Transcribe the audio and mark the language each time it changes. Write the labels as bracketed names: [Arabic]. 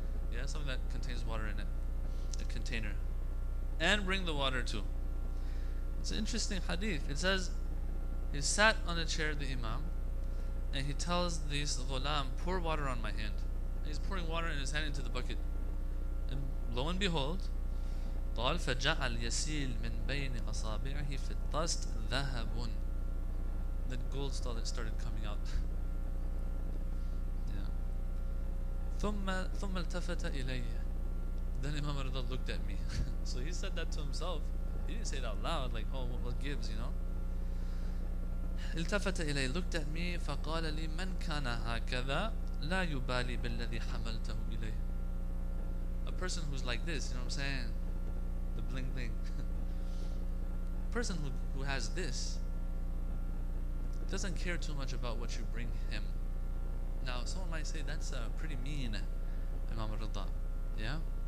[English] Yeah, something that contains water in it. A container. And bring the water too. It's an interesting hadith. It says, he sat on a chair, the Imam, and he tells this ghulam, pour water on my hand. And he's pouring water in his hand into the bucket. And lo and behold, [Arabic] طال فجعل يسيل من بين أصابعه في الطست ذهبون. [English] That gold started coming out. [Arabic] ثم التفت إلي. [English] Then Imam al-Ridha looked at me. So he said that to himself. He didn't say it out loud, like, oh, what gives, you know? [Arabic] التفت إلي, [English] looked at me, [Arabic] فقال لي من كان هكذا لا يبالي بالذي حملته إلي. [English] A person who's like this, you know what I'm saying? The bling bling. A person who has this doesn't care too much about what you bring him. Now, someone might say, that's a pretty mean Imam al-Ridha, yeah?